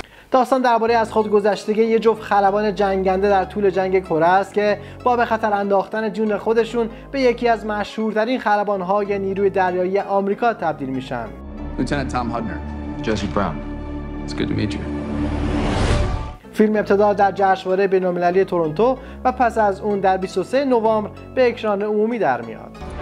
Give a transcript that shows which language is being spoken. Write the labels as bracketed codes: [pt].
[fa] داستان درباره از خود گذشتگی یه جفت خلبان جنگنده در طول جنگ کره است که با به خطر انداختن جون خودشون به یکی از مشهورترین خلبان‌های نیروی دریایی آمریکا تبدیل میشن. [en] Lieutenant Tom Hudner, Jesse Brown. It's good to meet you. [fa] فیلم ابتدا در جشنواره بین‌المللی تورنتو و پس از اون در 23 نوامبر به اکران عمومی در میاد.